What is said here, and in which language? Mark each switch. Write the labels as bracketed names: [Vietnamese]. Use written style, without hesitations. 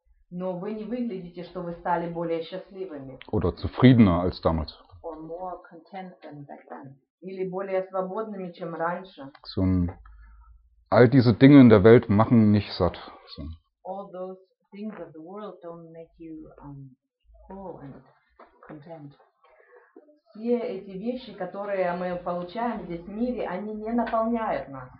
[Russian] Но вы не выглядите, что вы стали более счастливыми. [German] Oder zufriedener als damals. [English] Or more content than back then. [Russian] Или более свободными, чем раньше. [German] So, all diese Dinge in der Welt machen nicht satt. [English] So. All those things of the world don't make you full and content. [Russian] Все эти вещи, которые мы получаем здесь в мире, они не наполняют нас.